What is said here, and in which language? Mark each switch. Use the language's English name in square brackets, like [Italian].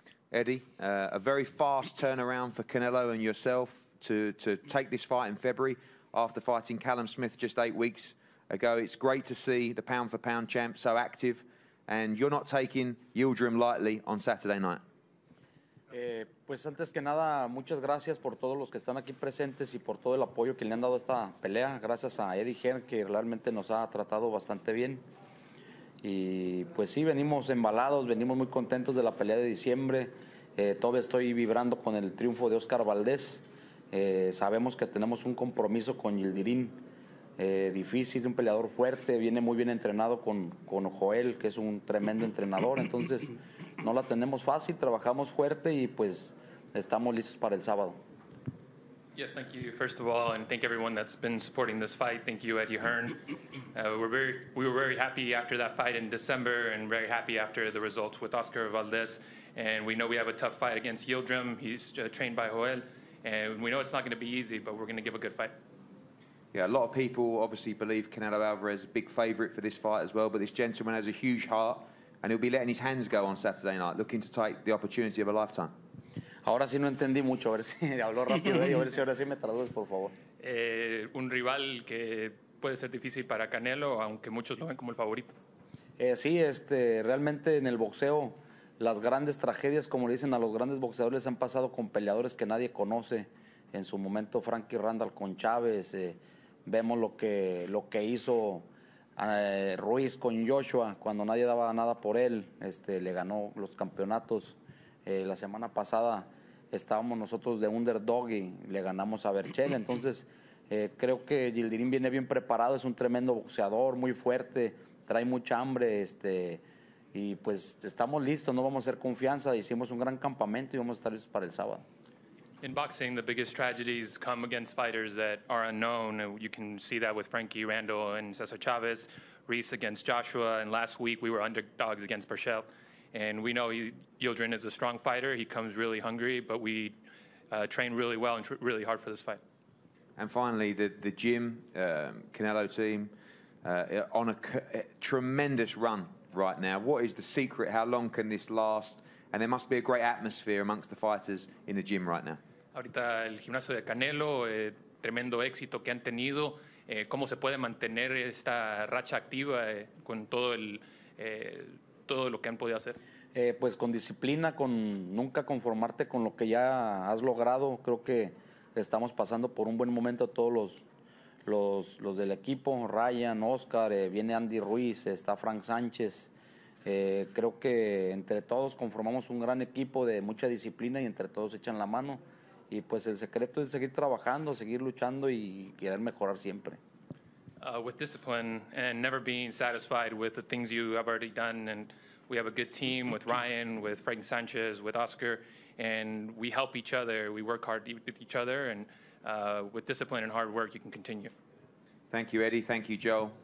[English] Eddie, a very fast turnaround for Canelo and yourself to take this fight in February after fighting Callum Smith just 8 weeks ago. It's great to see the pound-for-pound champ so active, and you're not taking Yildirim lightly on Saturday night. [Spanish] Pues antes que nada, muchas gracias por todos los que están aquí presentes y por todo el apoyo que le han dado a esta pelea. Gracias a Eddie Hearn, que realmente nos ha tratado bastante bien. Y pues sí, venimos embalados, venimos muy contentos de la pelea de diciembre. Todavía estoy vibrando con el triunfo de Oscar Valdés. Sabemos que tenemos un compromiso con Yildirim. Difícil, un peleador fuerte, viene muy bien entrenado con Joel, que es un tremendo entrenador. Entonces, no la tenemos fácil, trabajamos fuerte y pues estamos listos para el sábado. [English] Yes, thank you, first of all, and thank everyone that's been supporting this fight. Thank you, Eddie Hearn. We were very happy after that fight in December and very happy after the results with Oscar Valdez. And we know we have a tough fight against Yildirim. He's trained by Joel. And we know it's not going to be easy, but we're going to give a good fight. Yeah, a lot of people obviously believe Canelo Alvarez is a big favorite for this fight as well. But this gentleman has a huge heart, and he'll be letting his hands go on Saturday night, looking to take the opportunity of a lifetime. [Spanish] Ahora sí no entendí mucho, a ver si habló rápido y a ver si ahora sí me traduces, por favor. Un rival que puede ser difícil para Canelo, aunque muchos lo ven como el favorito. Sí, realmente en el boxeo las grandes tragedias, como le dicen a los grandes boxeadores, han pasado con peleadores que nadie conoce. En su momento Frankie Randall con Chávez, vemos lo que hizo Ruiz con Joshua cuando nadie daba nada por él, le ganó los campeonatos. La semana pasada estábamos nosotros de underdog y le ganamos a Berchel. Entonces, creo que Yildirim viene bien preparado. Es un tremendo boxeador, muy fuerte, trae mucha hambre. Y pues estamos listos, no vamos a hacer confianza. Hicimos un gran campamento y vamos a estar listos para el sábado. [English] In boxing, the biggest tragedies come against fighters that are unknown. You can see that with Frankie Randall and Cesar Chavez, Reese against Joshua. And last week, we were underdogs against Berchel. And we know Yildirim is a strong fighter. He comes really hungry, but we train really well and really hard for this fight. And finally, the gym, Canelo team, on a tremendous run right now. What is the secret? How long can this last? And there must be a great atmosphere amongst the fighters in the gym right now. [Spanish] Ahorita el gimnasio de Canelo, tremendo éxito que han tenido. ¿Cómo se puede mantener esta racha activa con todo lo que han podido hacer? Pues con disciplina, con nunca conformarte con lo que ya has logrado. Creo que estamos pasando por un buen momento todos los del equipo. Ryan, Oscar, viene Andy Ruiz, está Frank Sánchez. Creo que entre todos conformamos un gran equipo de mucha disciplina y entre todos echan la mano. Y pues el secreto es seguir trabajando, seguir luchando y querer mejorar siempre. [English] With discipline and never being satisfied with the things you have already done, and we have a good team with Ryan, with Frank Sanchez, with Oscar, and we help each other, we work hard with each other, and with discipline and hard work, you can continue. Thank you, Eddie. Thank you, Joe.